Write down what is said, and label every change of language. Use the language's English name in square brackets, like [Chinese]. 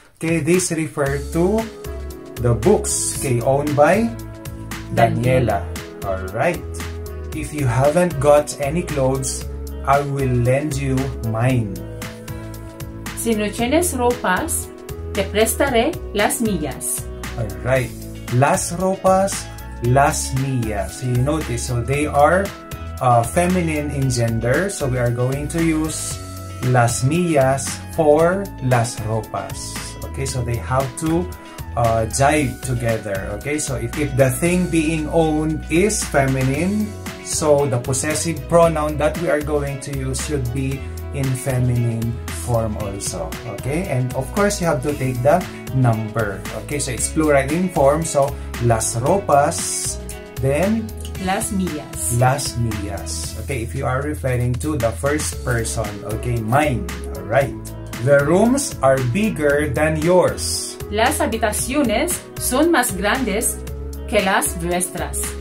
[English] Okay, this refer to the books, okay, owned by Daniela. Alright. If you haven't got any clothes, I will lend you mine. [Spanish] Si no tienes ropas, te prestaré las mías. Alright. las ropas, las millas. [English] So you notice, so they are feminine in gender. So we are going to use [Spanish] las millas [English] for [Spanish] las ropas. [English] Okay, so they have to jive together. Okay, so if the thing being owned is feminine, so the possessive pronoun that we are going to use should be in feminine form also. Okay, and of course you have to take the number. Okay, so it's plural in form, so [Spanish] las ropas, [English] then [Spanish] las millas. [English] Okay, if you are referring to the first person, okay, mine. All right, the rooms are bigger than yours. [Spanish] Las habitaciones son más grandes que las vuestras.